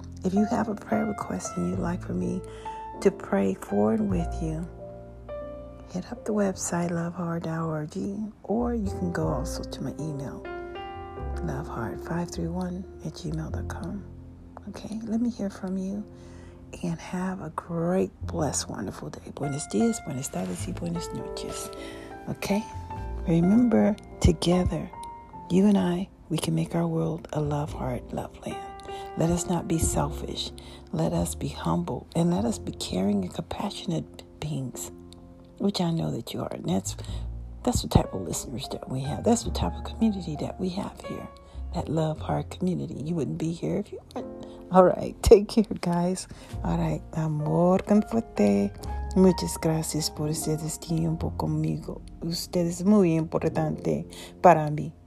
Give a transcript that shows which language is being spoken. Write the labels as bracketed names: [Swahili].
[English] If you have a prayer request and you'd like for me to pray for and with you, hit up the website, lovehard.org, or you can go also to my email, lovehard531@gmail.com. Okay, let me hear from you, and have a great, blessed, wonderful day. [Spanish] Buenos dias, buenas tardes, y buenas noches. [English] Okay, remember, together, you and I, we can make our world a love heart, love land. Let us not be selfish. Let us be humble. And let us be caring and compassionate beings, which I know that you are. And that's the type of listeners that we have. That's the type of community that we have here, that love heart community. You wouldn't be here if you weren't. All right. Take care, guys. All right. [Spanish] Amor con fuerte. Muchas gracias por este tiempo conmigo. Usted es muy importante para mí.